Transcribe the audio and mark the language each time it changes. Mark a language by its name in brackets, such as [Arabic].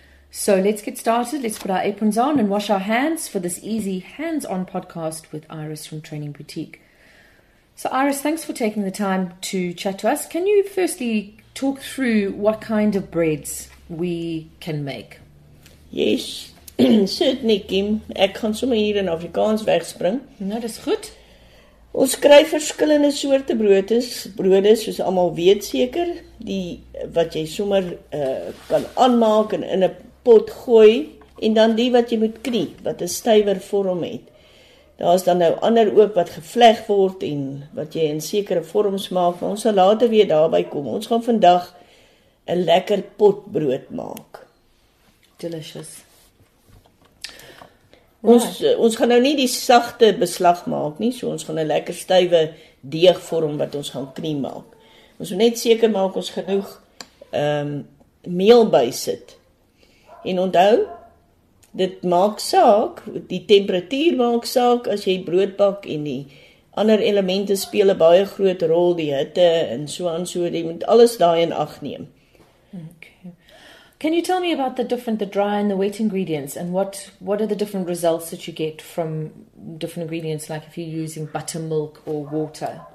[English] So let's get started. Let's put our aprons on and wash our hands for this easy hands-on podcast with Iris from Training Boutique. So Iris, thanks for taking the time to chat to us. Can you firstly talk through what kind of breads we can make? Yes, certainly Kim. [Afrikaans] Ek gaan sommer hier in Afrikaans wegspring. Nou, dis goed. Ons kry verskillende soorte brode, soos almal weet seker, die wat jy sommer kan aanmaak en in 'n pot gooi, en dan die wat jy moet knie, wat 'n stywer vorm het. Daar is dan nou ander ook wat gevleg word en wat jy in sekere vorms maak, maar ons sal later weer daarby kom. Ons gaan vandag 'n lekker potbrood maak. [English] Delicious. [Afrikaans] Ons gaan nou nie die sagte beslag maak nie, so ons gaan 'n lekker stywe deeg vorm wat ons gaan knie maak. Ons moet net seker maak ons genoeg meel by sit. En onthou, dit maak saak, die temperatuur maak saak as jy brood bak en die ander elemente speel 'n baie groot rol, die hitte en so aan, so jy moet alles daai in ag neem. [English] Can you tell me about the dry and the wet ingredients and what are the different results that you get from different ingredients, like if you're using buttermilk or water?